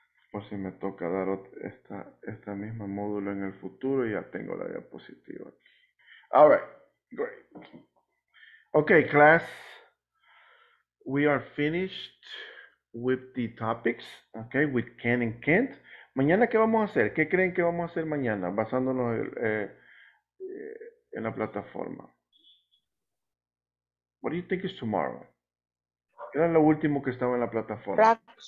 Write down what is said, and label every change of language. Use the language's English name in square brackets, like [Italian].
[Spanish] Por si me toca dar esta misma módulo en el futuro, ya tengo la diapositiva aquí. [English] All right, great. Okay, class. We are finished with the topics, okay, with can and can't. [Spanish] ¿Mañana qué vamos a hacer? ¿Qué creen que vamos a hacer mañana basándonos en la plataforma? [English] What do you think is tomorrow? [Spanish] ¿Qué era lo último que estaba en la plataforma?